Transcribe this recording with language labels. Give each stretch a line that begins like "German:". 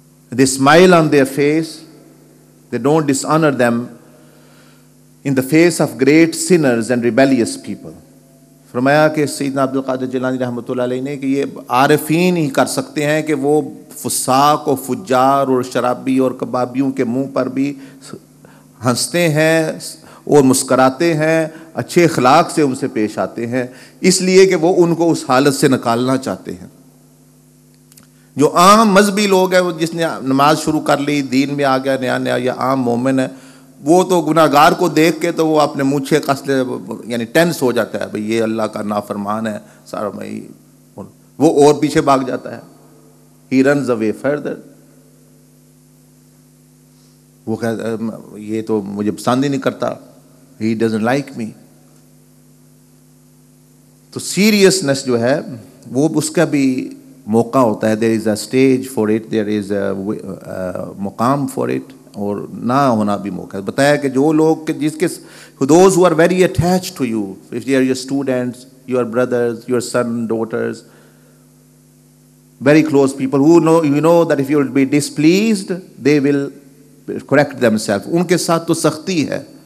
English: They smile on their face, they don't dishonor them in the face of great sinners and rebellious people.
Urdu: فرمایا کہ سیدنا عبدالقادر جیلانی رحمت اللہ علیہ نے کہ یہ عارفین ہی کر سکتے ہیں کہ وہ فساق و فجار اور شرابی اور کبابیوں کے منہ پر بھی ہنستے ہیں اور مسکراتے ہیں, اچھے اخلاق سے ان سے پیش آتے ہیں, اس لیے کہ وہ ان کو اس حالت سے نکالنا چاہتے ہیں. جو عام مذہبی لوگ ہیں, جس نے نماز شروع کر لی, دین میں آ گیا نیا, یا عام مومن ہے, وہ تو گناہگار کو دیکھ کے تو وہ اپنے مونچھے کس لے, یعنی ٹینس ہو جاتا ہے, بھئی یہ اللہ کا نافرمان ہے سارا, وہ اور پیچھے بھاگ جاتا ہے.
English: he runs away further,
Urdu: وہ کہتا ہے یہ تو مجھے پسند ہی نہیں کرتا,
English: He doesn't like me.
Urdu: تو سیریسنس جو ہے وہ اس کا بھی موقع ہوتا ہے,
English: there is a stage for it, there is a مقام for it,
Urdu: اور نہ ہونا بھی موقع. بتایا کہ جو لوگ جس کے
English: those who are very attached to you, if they are your students, your brothers, your son, daughters, very close people, who know, you know that if you will be displeased, they will correct themselves.
Urdu: ان کے ساتھ تو سختی ہے.